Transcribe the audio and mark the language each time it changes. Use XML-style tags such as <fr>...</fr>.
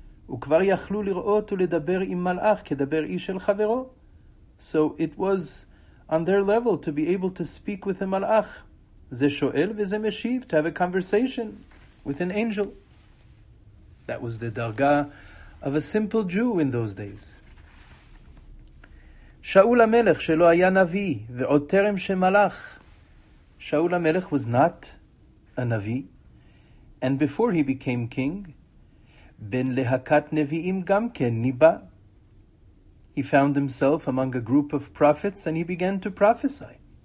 <he>וכבר יכלו לראות ולדבר עם מלאך כדבר איש אל חברו.</he> <en>So it was on their level to be able to speak with a מלאך.</en> <he>זה שואל וזה משיב,</he> <en>to have a conversation with an angel. That was the דרגה of a simple Jew in those days.</en> <he>שאול המלך שלא היה נביא ועוד טרם שמלאך.</he> <en>שאול המלך was not a נביא. And before he became king,</en> <he>ben lehakat nevi'im gam ken niba.</he> <en>He found himself among a group of prophets and he began to prophesy.</en>